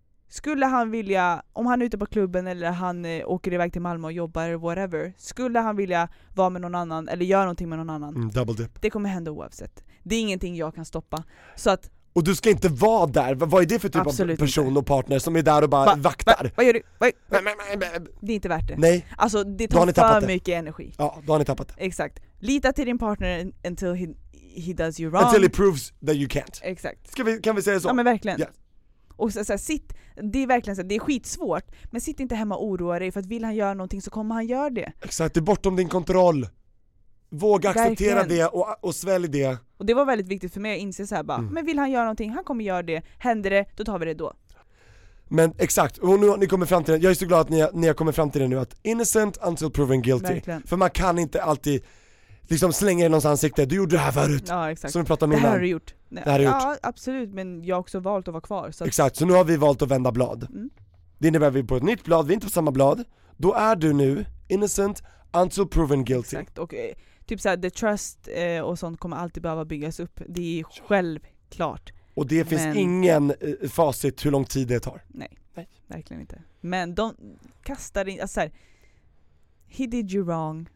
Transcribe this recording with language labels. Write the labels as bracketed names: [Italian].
[Swedish] Skulle han vilja, om han är ute på klubben eller han åker iväg till Malmö och jobbar eller whatever, skulle han vilja vara med någon annan eller göra någonting med någon annan? [English] Mm, double dip. [Swedish] Det kommer hända oavsett. Det är ingenting jag kan stoppa. Så att, och du ska inte vara där. Vad är det för typ av person inte. Och partner som är där och bara vaktar? Vad gör du? Det är inte värt det. Nej. Alltså det tar för mycket energi. Ja, då har ni tappat det. Exakt. Lita till din partner [English] until he does you wrong. Until he proves that you can't. [Swedish] Exakt. Kan vi säga så? Ja, men verkligen. [English] Yeah. [Swedish] Och så här, sitt, det är verkligen så här, det är skitsvårt, men sitt inte hemma och oroa dig, för att vill han göra någonting så kommer han göra det. Exakt, det är bortom din kontroll. Våga acceptera det och svälj det. Och det var väldigt viktigt för mig att inse så här, bara, men vill han göra någonting, han kommer göra det. Händer det, då tar vi det då. Men exakt, och nu har ni kommit fram till det. Jag är så glad att ni har kommit fram till det nu, att [English] innocent until proven guilty. [Swedish] Verkligen. För man kan inte alltid liksom slänga i någons ansikte, du gjorde det här förut. Ja, exakt. Som vi pratade om innan. Det här har du gjort. Nej. Det här har du gjort. Ja, absolut, men jag har också valt att vara kvar. Så exakt, så nu har vi valt att vända blad. Mm. Det innebär att vi är på ett nytt blad, vi är inte på samma blad. Då är du nu [English] innocent until proven guilty. [Swedish] Exakt, och typ såhär, [English] the trust [Swedish] och sånt kommer alltid behöva byggas upp. Det är ju självklart. Och det finns ingen facit hur lång tid det tar. Nej, nej, verkligen inte. Men de kastar in, alltså såhär, [English] he did you wrong.